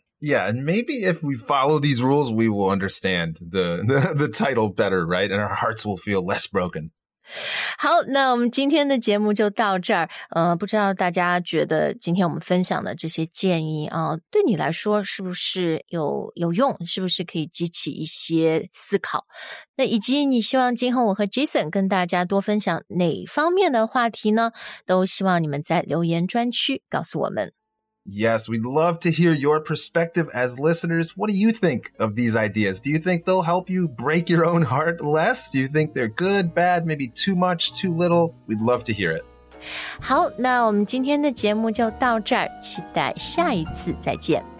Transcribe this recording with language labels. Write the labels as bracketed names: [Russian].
[English] Yeah, and maybe if we follow these rules, we will understand the title better, right? And our hearts will feel less broken. [Chinese] 好，那我们今天的节目就到这儿。不知道大家觉得今天我们分享的这些建议啊，对你来说是不是有用？是不是可以激起一些思考？那以及你希望今后我和 Jason 跟大家多分享哪方面的话题呢？都希望你们在留言专区告诉我们。 [English] Yes, we'd love to hear your perspective as listeners. What do you think of these ideas? Do you think they'll help you break your own heart less? Do you think they're good, bad, maybe too much, too little? We'd love to hear it. [Chinese] 好，那我们今天的节目就到这儿，期待下一次再见。